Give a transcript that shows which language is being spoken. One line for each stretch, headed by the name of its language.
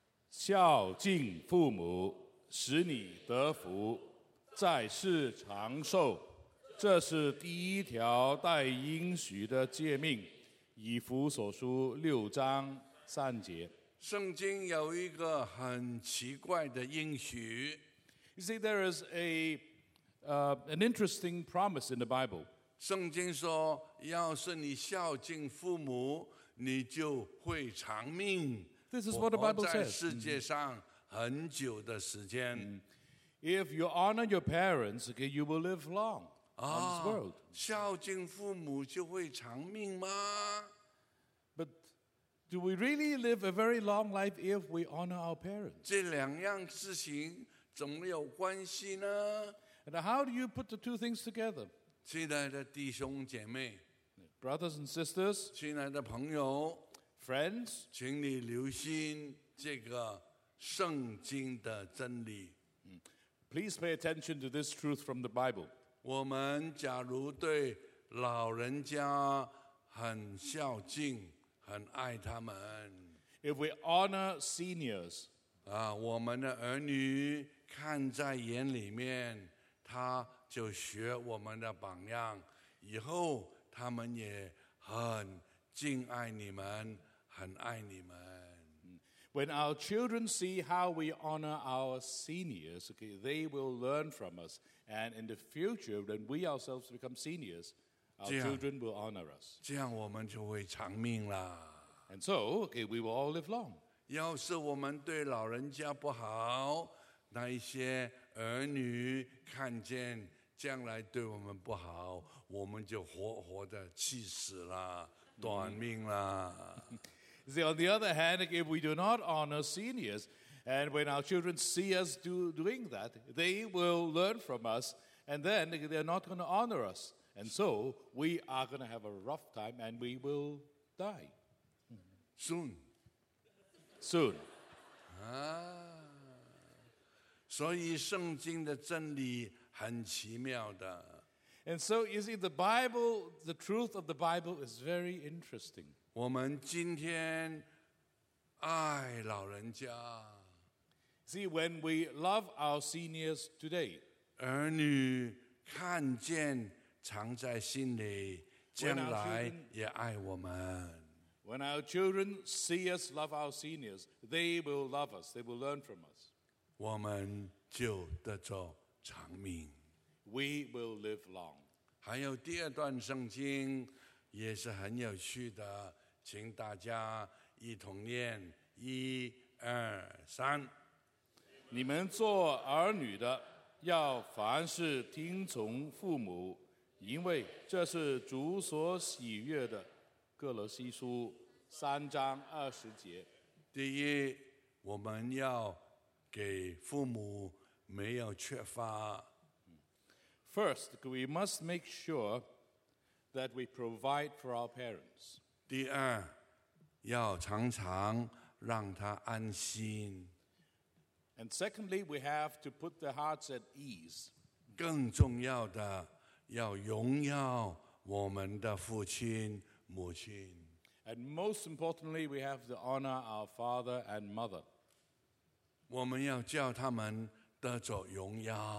Chinese: 孝敬父母，使你得福，在世长寿。这是第一条带应许的诫命，以弗所书六章三节。圣经有一个很奇怪的应许。
English: You see, there is an interesting promise in the Bible.
Chinese: 圣经说，要是你孝敬父母，你就会长命。
English: This is what the Bible says.
Chinese: 活在世界上很久的时间。
English: If you honor your parents, okay, you will live long on this world.
Chinese: 孝敬父母就会长命吗？
English: But do we really live a very long life if we honor our parents?
Chinese: 这两样事情怎么有关系呢？
English: And how do you put the two things together?
Chinese: 亲爱的弟兄姐妹，
English: brothers and sisters,
Chinese: 亲爱的朋友，
English: friends,
Chinese: 请你留心这个圣经的真理。
English: Please pay attention to this truth from the Bible.
Chinese: 我们假如对老人家很孝敬，很爱他们。
English: If we honor seniors,
Chinese: 我们的儿女看在眼里面，他就学我们的榜样，以后他们也很敬爱你们，很爱你们。
English: When our children see how we honor our seniors, okay, they will learn from us. And in the future, when we ourselves become seniors, our children will honor us.
Chinese: 这样我们就会长命了。
English: And so, okay, we will all live long.
Chinese: 要是我们对老人家不好，那一些儿女看见将来对我们不好，我们就活活的气死了，短命了。
English: See, on the other hand, if we do not honor seniors, and when our children see us doing that, they will learn from us, and then they're not going to honor us. And so, we are going to have a rough time, and we will die. Soon. Soon.
Chinese: 所以圣经的真理很奇妙的。
English: And so, you see, the Bible, the truth of the Bible is very interesting.
Chinese: 我们今天爱老人家。
English: See, when we love our seniors today,
Chinese: 儿女看见藏在心里，将来也爱我们。
English: When our children see us love our seniors, they will love us, they will learn from us.
Chinese: 我们就得着长命。
English: We will live long.
Chinese: 还有第二段圣经也是很有趣的。请大家一同念一二三。你们做儿女的要凡事听从父母，因为这是主所喜悦的。哥罗西书三章二十节。第一，我们要给父母没有缺乏。
English: First, we must make sure that we provide for our parents.
Chinese: 第二，要常常让他安心。
English: And secondly, we have to put their hearts at ease.
Chinese: 更重要的，要荣耀我们的父亲、母亲。
English: And most importantly, we have to honor our father and mother.
Chinese: 我们要叫他们得着荣耀。